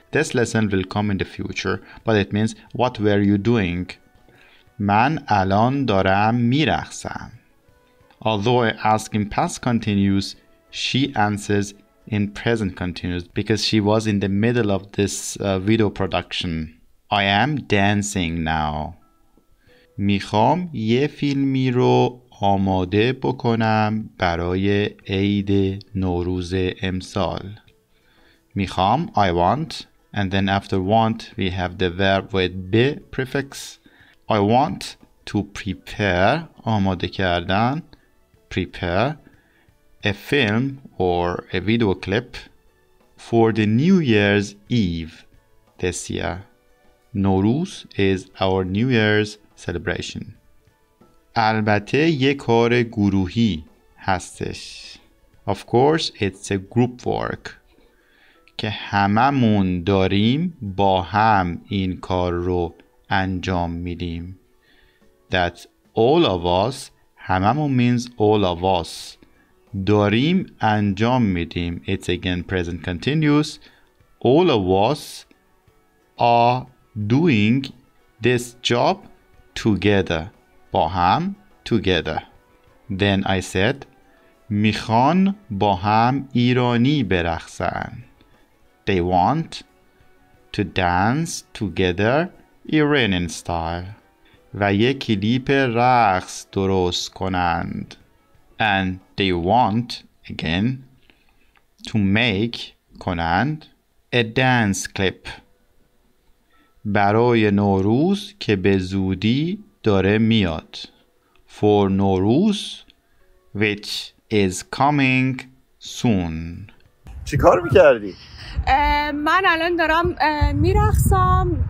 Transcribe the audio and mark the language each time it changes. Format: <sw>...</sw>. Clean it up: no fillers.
<en>This lesson will come in the future, but it means what were you doing?</en> <fa>من الان دارم میرقصم.</fa> <en>Although I ask in past continuous, she answers in present continuous because she was in the middle of this video production. I am dancing now.</en> <fa>میخوام یه فیلمی رو آماده بکنم برای عید نوروز امسال.</fa> <en>میخوام، I want, and then after want we have the verb with be prefix. I want to prepare,</en> <fa>آماده کردن,</fa> <en>prepare a film or a video clip for the New Year's Eve this year. Nowruz is our New Year's celebration.</en> <fa>البته یه کار گروهی هستش.</fa> <en>Of course, it's a group work.</en> <fa>که هممون داریم با هم این کار رو انجام میدیم.</fa> <en>That all of us, هممون means all of us,</en> <fa>داریم انجام میدیم.</fa> <en>It's again present continuous. All of us are doing this job together.</en> <fa>با هم.</fa> <en>Together. Then I said,</en> <fa>میخوان با هم ایرانی برقصن.</fa> <en>They want to dance together Iranian style.</en> <fa>و یک کلیپ رقص درست کنند.</fa> <en>And they want, again, to make, کنند, a dance clip.</en> <fa>برای نوروز که به زودی داره میاد.</fa> <en>For Nowruz, which is coming soon.</en> <fa>چی کار میکردی؟ من الان دارم میرخصم.</fa>